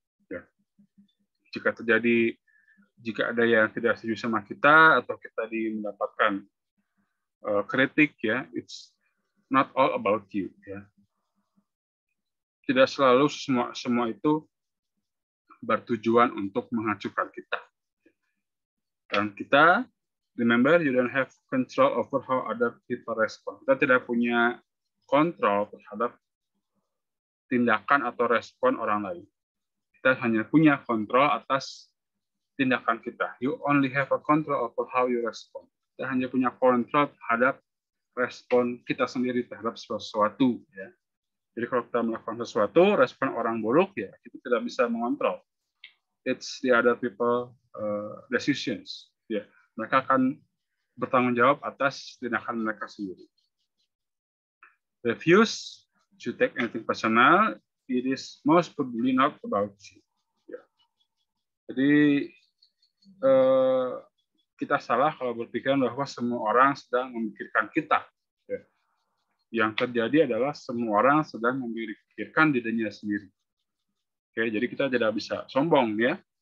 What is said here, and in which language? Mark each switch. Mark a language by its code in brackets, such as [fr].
[id] Ya. Jika ada yang tidak setuju sama kita atau kita mendapatkan kritik, ya, [en] it's not all about you. [id] Ya. Tidak selalu semua itu bertujuan untuk menghancurkan kita. Dan kita, [en] remember, you don't have control over how other people respond. [id] Kita tidak punya kontrol terhadap tindakan atau respon orang lain. Kita hanya punya kontrol atas tindakan kita. [en] You only have a control over how you respond. [id] Kita hanya punya kontrol terhadap respon kita sendiri terhadap sesuatu, ya. Jadi kalau kita melakukan sesuatu, respon orang buruk, ya, kita tidak bisa mengontrol. [en] It's the other people decisions. [id] Ya, mereka akan bertanggung jawab atas tindakan mereka sendiri. [en] Refuse to take anything personal. It is most probably not about you. Ya. [id] Jadi kita salah kalau berpikiran bahwa semua orang sedang memikirkan kita. Yang terjadi adalah semua orang sedang memikirkan dirinya sendiri. Oke, jadi kita tidak bisa sombong ya.